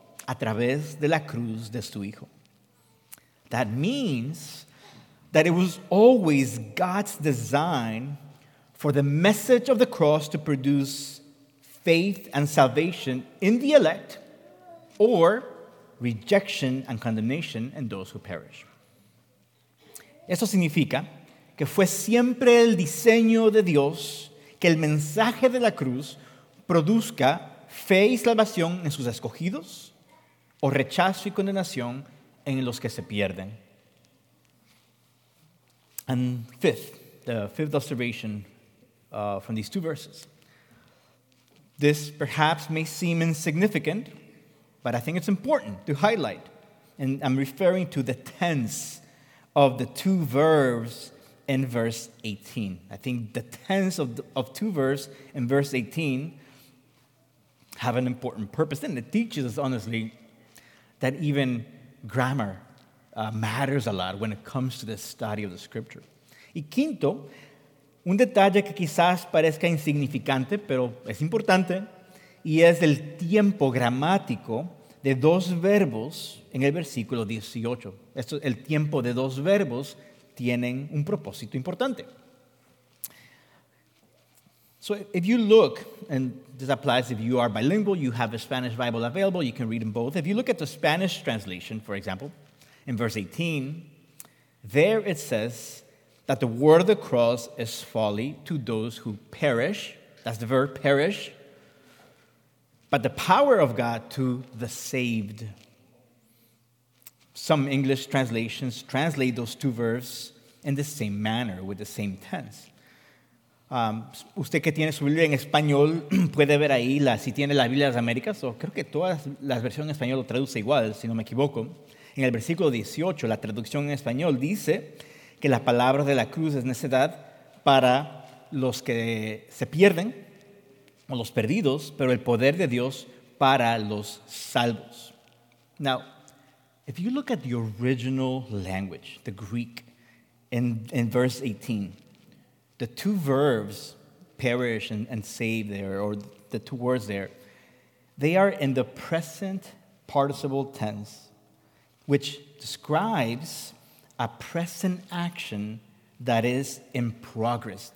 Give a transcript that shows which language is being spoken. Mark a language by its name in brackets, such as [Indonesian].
[Spanish] A través de la cruz de su Hijo. [English] That means that it was always God's design for the message of the cross to produce faith and salvation in the elect, or rejection and condemnation in those who perish. [Spanish] Eso significa que fue siempre el diseño de Dios que el mensaje de la cruz produzca fe y salvación en sus escogidos o rechazo y condenación en los que se pierden. [English] And fifth, the fifth observation from these two verses. This perhaps may seem insignificant, but I think it's important to highlight. And I'm referring to the tense of the two verbs in verse 18. I think the tense of two verbs in verse 18 have an important purpose. And it teaches us, honestly, that even grammar matters a lot when it comes to the study of the scripture. [Spanish] Y quinto, un detalle que quizás parezca insignificante, pero es importante, y es el tiempo gramático de dos verbos en el versículo 18. Esto, el tiempo de dos verbos tienen un propósito importante. [English] So if you look, and this applies if you are bilingual, you have a Spanish Bible available, you can read them both. If you look at the Spanish translation, for example, in verse 18, there it says that the word of the cross is folly to those who perish. That's the verb, perish. But the power of God to the saved. Some English translations translate those two verbs in the same manner, with the same tense. [Spanish] Usted que tiene su Biblia en español puede ver ahí, la, si tiene la Biblia de las Américas, o creo que todas las versiones en español lo traduce igual, si no me equivoco. En el versículo 18, la traducción en español dice que la palabra de la cruz es necedad para los que se pierden o los perdidos, pero el poder de Dios para los salvos. [English] Now, if you look at the original language, the Greek, in verse 18, the two verbs, perish and save there, or the two words there, they are in the present participle tense, which describes a present action that is in progress.